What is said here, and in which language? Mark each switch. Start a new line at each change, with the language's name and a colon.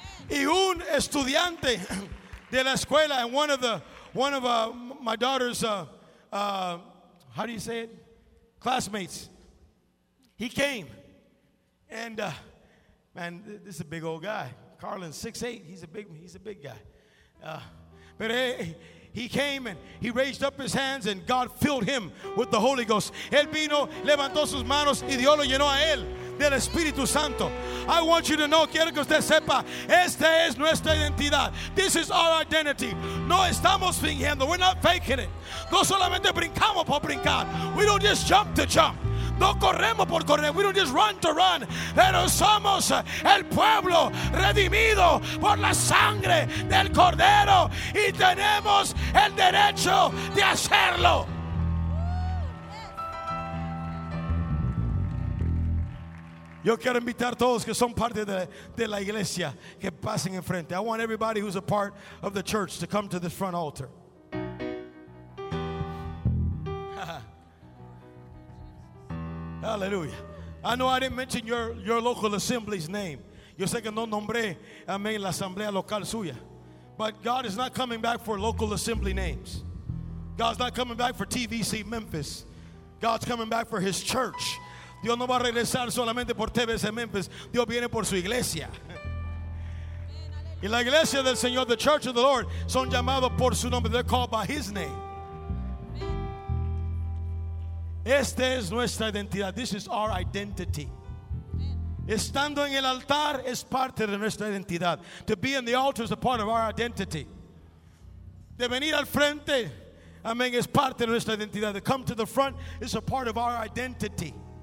Spanish: Y un estudiante de la escuela,
English: and one of my daughter's how do you say it, classmates, he came. And man, this is a big old guy. Carlin, 6'8". He's a big guy. But he came and he raised up his hands and God filled him with the Holy Ghost.
Spanish: Él vino, levantó sus manos y Dios lo llenó a él del Espíritu Santo.
English: I want you to know,
Spanish: quiero que usted sepa, esta es nuestra identidad.
English: This is our identity.
Spanish: No estamos fingiendo.
English: We're not faking it.
Spanish: No solamente brincamos por brincar.
English: We don't just jump to jump.
Spanish: No corremos por correr.
English: We don't just run to run.
Spanish: Pero somos el pueblo redimido por la sangre del Cordero y tenemos el derecho de hacerlo. Yo quiero invitar a todos que son parte de la iglesia que pasen enfrente.
English: I want everybody who's a part of the church to come to the front altar. Hallelujah. I know I didn't mention your local assembly's name.
Spanish: Yo sé que no nombré, amén, la asamblea local suya.
English: But God is not coming back for local assembly names. God's not coming back for TVC Memphis. God's coming back for his church.
Spanish: Dios no va a regresar solamente por TVC Memphis. Dios viene por su iglesia. Y la iglesia del Señor,
English: the church of the Lord,
Spanish: son llamados por su nombre.
English: They're called by his name.
Spanish: Esta es nuestra identidad.
English: This is our identity.
Spanish: Estando en el altar es parte de nuestra identidad.
English: To be in the altar is a part of our identity.
Spanish: De venir al frente, amén, es parte de nuestra identidad.
English: To come to the front is a part of our identity.